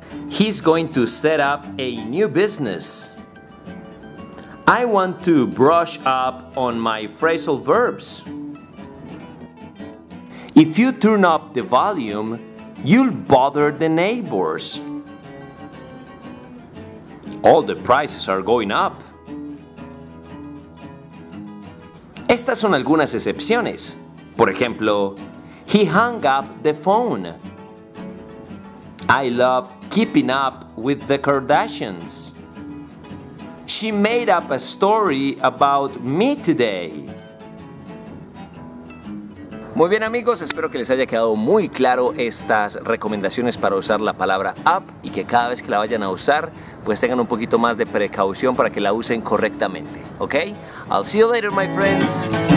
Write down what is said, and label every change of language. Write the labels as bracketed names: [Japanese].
[English] He's going to set up a new business. I want to brush up on my phrasal verbs. If you turn up the volume, you'll bother the neighbors. All the prices are going up. [Spanish] Estas son algunas excepciones. Por ejemplo, [English] he hung up the phone. I love keeping up with the Kardashians. She made up a story about me today. [Spanish] Muy bien amigos, espero que les haya quedado muy claro estas recomendaciones para usar la palabra up y que cada vez que la vayan a usar, pues tengan un poquito más de precaución para que la usen correctamente. ¿Ok? [English] I'll see you later, my friends.